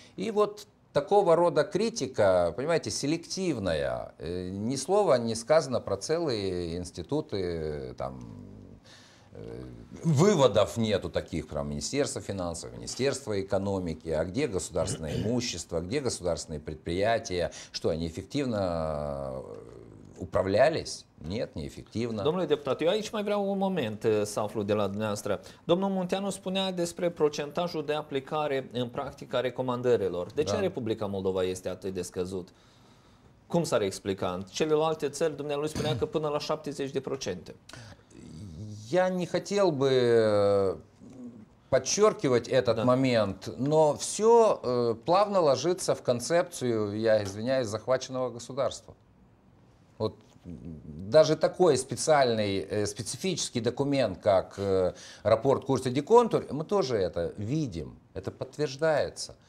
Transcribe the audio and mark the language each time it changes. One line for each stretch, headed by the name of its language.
Russian: И вот такого рода критика, понимаете, селективная, ни слова не сказано про целые институты, там, выводов нету таких про Министерство финансов, Министерство экономики, а где государственное имущество, где государственные предприятия, что они эффективно управлялись. Нет,
Romanian: neefectivă. Domnule deputat, eu aici mai vreau un moment să aflu de la dumneavoastră. Domnul Munteanu spunea despre procentajul de aplicare în practica recomandărilor. De ce Republica Moldova este atât de scăzut? Cum s-ar explica? În celelalte țări, dumnealui spunea că până la 70%.
Russian: Я не хотел бы подчеркивать этот момент, но все плавно ложится в концепцию, я извиняюсь, захваченного государства. Вот даже такой специальный, специфический документ, как рапорт Курса де Контур, мы тоже это видим, это подтверждается.